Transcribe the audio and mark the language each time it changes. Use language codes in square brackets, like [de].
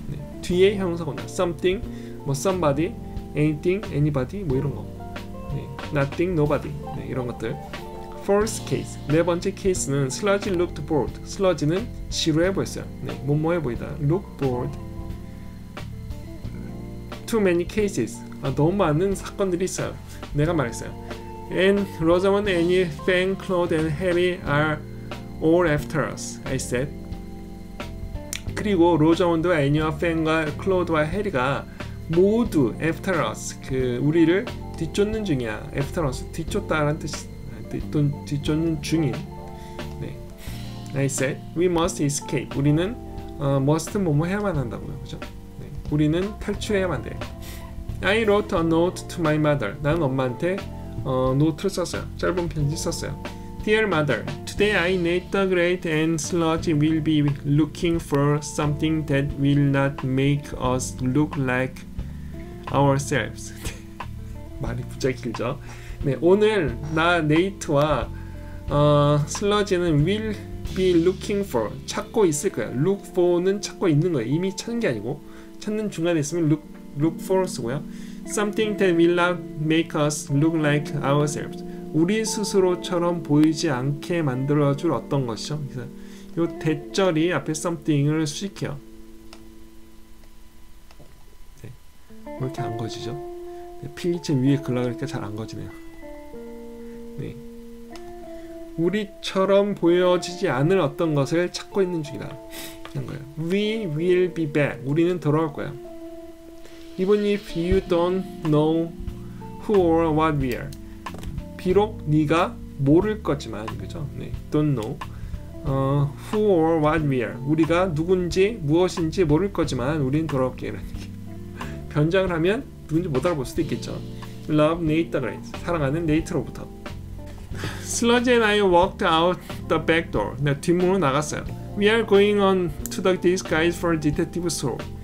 [ko] 네. 뒤에 형사거든요. Something, 뭐 somebody, anything, anybody 뭐 이런 거. 네. [en] Nothing, nobody 네, 이런 것들. First case, [ko] 네 번째 케이스는 [en] sludge looked bored. [ko] sludge는 지루해 보였어요. 네, 뭐뭐해 보이다. look bored. [en] Too many cases. [ko] 아, 너무 많은 사건들이 있어요. 내가 말했어요. [en] And Rosamund, Annie, Fan, Claude, and Harry are all after us. I said. [ko] 그리고 로저먼드와 애니와 팬과 클로드와 해리가 모두 after us, 그 우리를 뒤쫓는 중이야. after us, 뒤쫓다라는 뜻이 뒤쫓는 중인. 네. [en] I said, we must escape. [ko] 우리는 must 뭐뭐 해야만 한다고요. 그죠? 네. 우리는 탈출해야만 돼. [en] I wrote a note to my mother. [ko] 난 엄마한테 노트를 썼어요. 짧은 편지 썼어요. [en] Dear mother, today I, Nate the Great, and Sludge will be looking for something that will not make us look like ourselves. [ko] 말이 부쩍 길죠? 네, 오늘 나 네이트와 Sludge는 [en] will be looking for, [ko] 찾고 있을 거야. Look for는 찾고 있는 거야. 이미 찾는 게 아니고 찾는 중간에 있으면 look for 쓰고요. [en] Something that will not make us look like ourselves. [ko] 우리 스스로처럼 보이지 않게 만들어줄 어떤 것이죠? 그래서 이 대절이 앞에 something을 수식해요. 네. 왜 이렇게 안 거지죠? 네. 필기체 위에 글라 그러니까 잘 안 거지네요. 네. 우리처럼 보여지지 않을 어떤 것을 찾고 있는 중이다. 이런 거예요. [en] We will be back. [ko] 우리는 돌아올 거야. [en] Even if you don't know who or what we are. [ko] 비록 네가 모를 거지만 그죠? [en] 네, don't know who or what we are. [ko] 우리가 누군지 무엇인지 모를 거지만 우린 돌아올게. 변장을 하면 누군지 못 알아볼 수도 있겠죠. [en] Love Nate the Great. [ko] 사랑하는 네이트로부터. [en] Sludge and I walked out the back door. [ko] 네, 뒷문으로 나갔어요. [en] We are going on to the disguise for detective store.